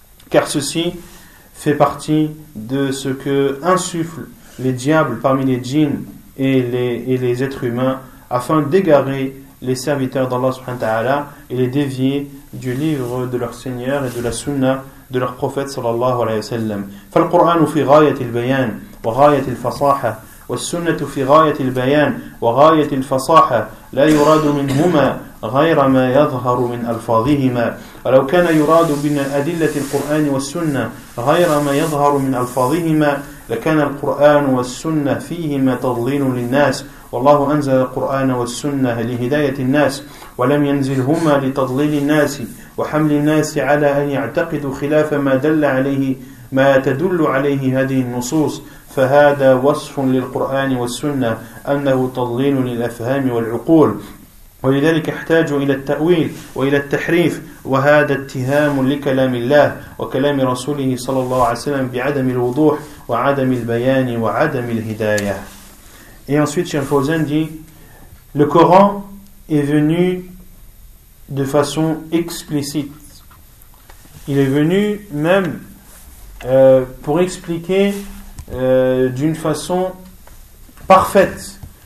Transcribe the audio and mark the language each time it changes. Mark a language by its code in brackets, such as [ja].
[fr] car ceci fait partie de ce que insufflent les diables parmi les djinns et les êtres humains, afin d'égarer les serviteurs d'Allah subhanahu wa ta'ala et les dévier du livre de leur Seigneur et de la sunna de leur prophète sallallahu alayhi wa sallam. [ar] Fal Qur'an fi ghayat al bayan wa ghayat al fasaha wa as-sunnah fi ghayat al bayan wa ghayat al fasaha la yurad minhumma غير ما يظهر من ألفاظهما ولو كان يراد من أدلة القرآن والسنة غير ما يظهر من ألفاظهما لكان القرآن والسنة فيهما تضليل للناس والله أنزل القرآن والسنة لهداية الناس ولم ينزلهما لتضليل الناس وحمل الناس على أن يعتقدوا خلاف ما دل عليه ما تدل عليه هذه النصوص فهذا وصف للقرآن والسنة أنه تضليل للأفهام والعقول ولذلك احتاجوا إلى التأويل وإلى التحريف وهذا اتهام لكلام الله وكلام رسوله صلى الله عليه وسلم بعدم الوضوح وعدم البيان وعدم الهداية. [fr] Et ensuite Cheikh Fawzan dit, le Coran est venu de façon explicite. Il est venu même pour expliquer d'une façon parfaite.